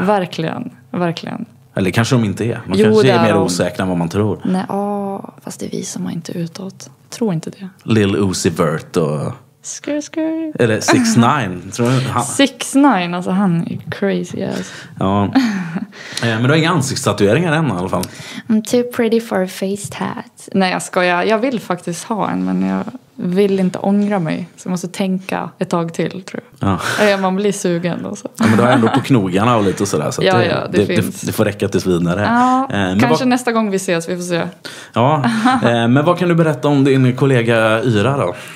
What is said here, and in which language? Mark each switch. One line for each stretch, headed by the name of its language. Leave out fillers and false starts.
Swedish: Verkligen, verkligen. Eller kanske de inte är. Man kanske är mer osäkra än vad man tror. Nej, fast det visar man inte utåt. Tror inte det. Lil Uzi Vert och... Skur, skur. Eller 6ix9ine, tror jag. 6ix9ine, alltså han är crazy ass. Ja. Men du har inga ansiktstatueringar än i alla fall.
English: I'm too pretty for a face tat.
Swedish: Nej, jag skojar. Jag vill faktiskt ha en, men jag vill inte ångra mig. Så jag måste tänka ett tag till, tror jag. Ja. Man blir sugen och så. Ja, men du har ändå på knogarna och lite sådär. Så ja, det finns. Det får räcka tills vidare. Ja, kanske nästa gång vi ses, vi får se. Ja, men vad kan du berätta om din kollega Ira då?